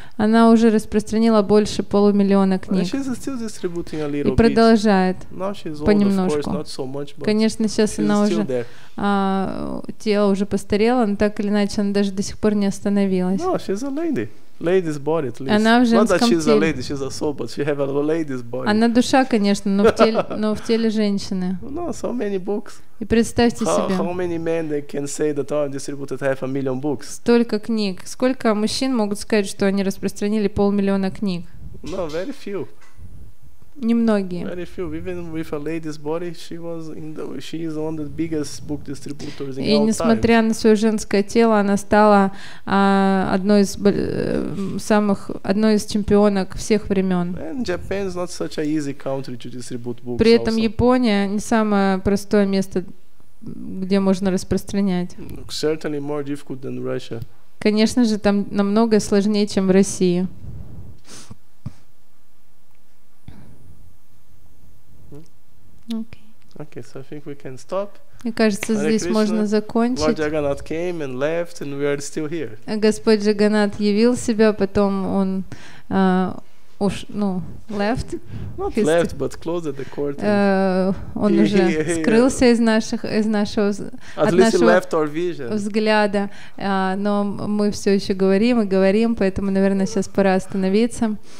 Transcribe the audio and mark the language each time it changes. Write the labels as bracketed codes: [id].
[ru] Она уже распространила больше полумиллиона книг. [en] She's still distributing a little bit. [ru] И продолжает. [en] Now she's old, [ru] понемножку. [en] Of course, not so much, but [ru] конечно, сейчас [en] she's [ru] она [en] still [ru] уже [en] there. [ru] Тело уже постарело, но так или иначе она даже до сих пор не остановилась. [en] No, she's a lady. Ladies body, at least. [ru] Она в женском теле. [en] Not that she's a lady, she's a soul, but she have a lady's body. [ru] Она душа, конечно, но в теле женщины. [en] No, so many books. [ru] И представьте себе. [en] How many men they can say that I distributed half a million books? [ru] Столько книг. Сколько мужчин могут сказать, что они распространили полмиллиона книг? [en] No, very few. [ru] Немногие. [en] Very few. Even with a lady's body, she is one of the biggest book distributors in all time. [ru] И несмотря на свое женское тело, она стала одной из чемпионок всех времен. [en] And Japan is not such an easy country to distribute books. [ru] При этом [en] also. [ru] Япония не самое простое место, где можно распространять. [en] Certainly more difficult than Russia. [ru] Конечно же, там намного сложнее, чем в России. [en] Okay, so I think we can stop. [ru] Мне кажется, здесь [en] Krishna, [ru] можно закончить. [en] Lord Jagannath came and left, and we are still here. [ru] Господь Джаганнат явил себя, потом он [en] left. Not his left, but closed the court. [ru] Он уже скрылся от нашего взгляда. Но мы все еще говорим, поэтому, наверное, сейчас пора остановиться.